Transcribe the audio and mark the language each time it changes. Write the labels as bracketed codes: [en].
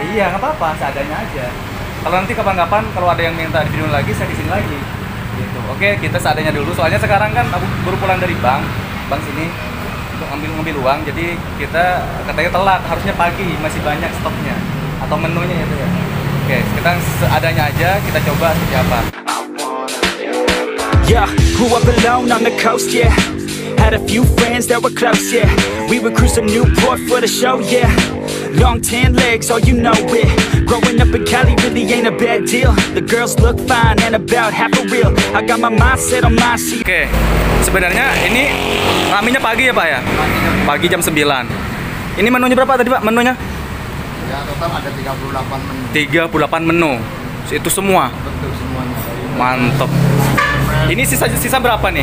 [id] Iya, nggak apa-apa, seadanya aja. Kalau nanti kapan-kapan kalau ada yang minta di video lagi, saya kesini lagi. Gitu. Oke, kita seadanya dulu. Soalnya sekarang kan aku baru pulang dari bank sini untuk ngambil uang. Jadi kita katanya telat, harusnya pagi masih banyak stoknya atau menunya itu ya. Oke, kita seadanya aja, kita coba seperti apa. [en] Yeah, grew up alone on the coast, yeah. Had a few friends that were close, yeah. We would cruise to Newport for the show, yeah. Long tan legs, oh you know it. Growing up in Cali really ain't a bad deal. The girls look fine and about half a real. I got my mind set on my seat. [id] Oke, sebenarnya ini ngaminya pagi ya Pak ya? Pagi jam 9. Ini menunya berapa tadi Pak, menunya? Ya, total ada 38 menu. 38 menu, itu semua? Betul, semuanya. Mantap. Ini sisa berapa nih?